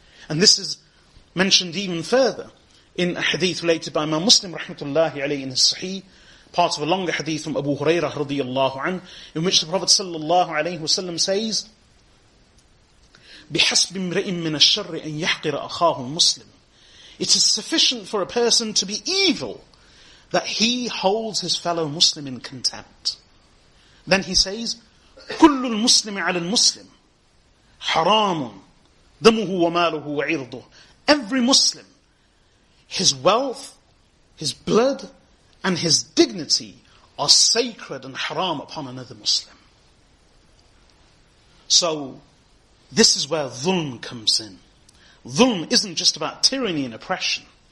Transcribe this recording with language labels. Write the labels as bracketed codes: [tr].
[en] And this is mentioned even further in a hadith related by Imam Muslim rahmatullahi alayhi in his Sahih, part of a longer hadith from Abu Hurairah radiyallahu an, in which the Prophet sallallahu alayhi wasallam says, [ar] بِحَسْبِ امْرِئٍ مِّنَ الشَّرِّ أَن يَحْقِرَ أَخَاهُ الْمُسْلِمِ. [en] It is sufficient for a person to be evil that he holds his fellow Muslim in contempt. Then he says, [ar] كُلُّ الْمُسْلِمِ عَلَى الْمُسْلِمِ حَرَامٌ دَمُهُ وَمَالُهُ وَعِرْضُهُ. [en] Every Muslim, his wealth, his blood, and his dignity are sacred and haram upon another Muslim. So, this is where dhulm comes in. Dhulm isn't just about tyranny and oppression.